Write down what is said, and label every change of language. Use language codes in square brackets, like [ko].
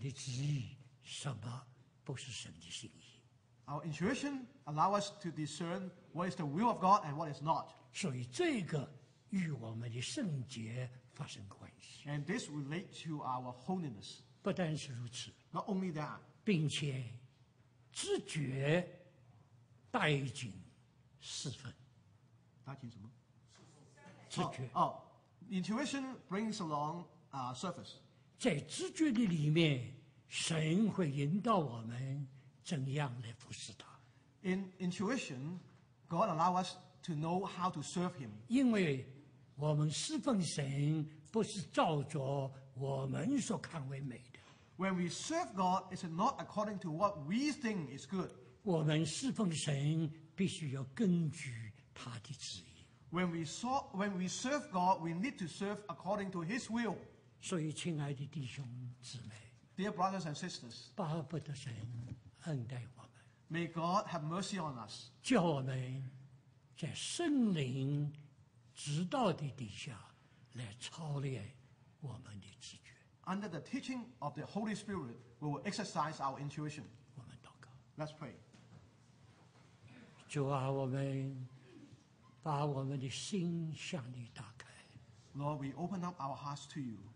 [zh] 直觉是告诉我们什么是神的旨意，什么不是神的心意。 [en] Our intuition allows us to discern what is the will of God and what is not. [zh] 所以这个与我们的圣洁发生关系。 [en] And this relates to our holiness. [zh] 不单是如此。 [en] Not only that. [zh] 并且直觉带进四分。带进什么？直觉。 [en] Oh. Intuition brings along surface. [zh] 在直觉的里面, 神会引导我们怎样来服侍他。 [en] In intuition, God allows us to know how to serve him. [zh] 因为我们侍奉神不是照着我们所看为美的。 [en] When we serve God, is it not according to what we think is good? [zh] 我们侍奉神必须要根据他的旨意。 [en] When we serve God, we need to serve according to His will. [zh] 所以，亲爱的弟兄姊妹 [en] ，Dear brothers and sisters, [zh] 巴不得神恩待我们。 [en] May God have mercy on us. [zh] 叫我们在圣灵指导的底下来操练我们的直觉。 [en] Under the teaching of the Holy Spirit, we will exercise our intuition. [zh] 我们祷告。 [en] Let's pray. [zh] 主啊，我们把我们的心向你打开。 [en] Lord, we open up our hearts to you.